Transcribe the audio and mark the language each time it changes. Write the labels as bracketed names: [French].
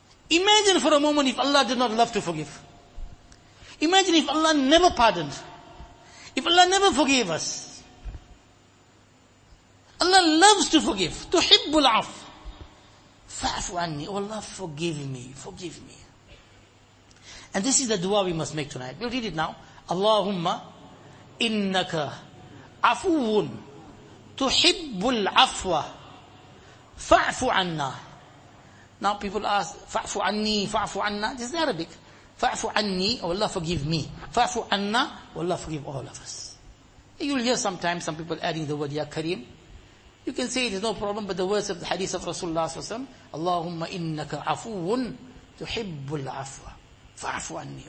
[English] Imagine for a moment if Allah did not love to forgive. Imagine if Allah never pardoned. If Allah never forgave us. Allah loves to forgive. [Arabic] تُحِبُّ الْعَفْوِ فَعْفُ عَنِّي. [English] Oh Allah, forgive me, forgive me. And this is the dua we must make tonight. We'll read it now. [Arabic] Allahumma innaka afuun تُحِبُّ الْعَفْوَ فَعْفُ عَنَّا. [English] Now people ask, [Arabic] فَعْفُ عَنِّي, فَعْفُ عَنَّا. [English] This is Arabic. [Arabic] فَعْفُ عَنِّي, [English] oh Allah, forgive me. [Arabic] فَعْفُ عَنَّا, [English] oh Allah, forgive all of us. You'll hear sometimes some people adding the word Ya Kareem. You can say it is no problem, but the words of the hadith of Rasulullah SAW, [Arabic] Allahumma innaka afuun tuhibbul afwa. Fa'afu anni.